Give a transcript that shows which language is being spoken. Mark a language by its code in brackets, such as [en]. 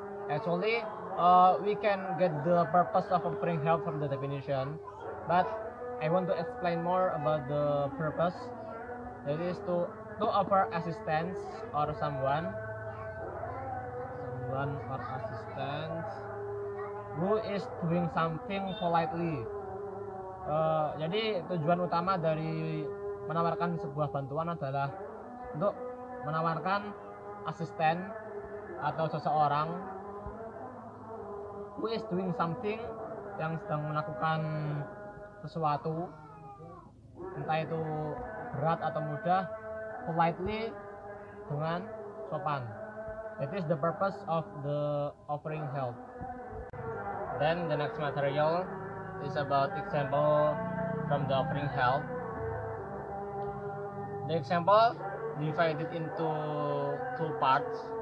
[en] Actually, we can get the purpose of offering help from the definition, but I want to explain more about the purpose. That is to offer assistance or someone or assistance who is doing something politely. [id] Jadi tujuan utama dari menawarkan sebuah bantuan adalah untuk menawarkan asisten atau seseorang [en] who is doing something, [id] yang sedang melakukan sesuatu, entah itu berat atau mudah, [en] politely, [id] dengan sopan. [en] That is the purpose of the offering help. Then the next material is about example from the offering help. The example divided into two parts.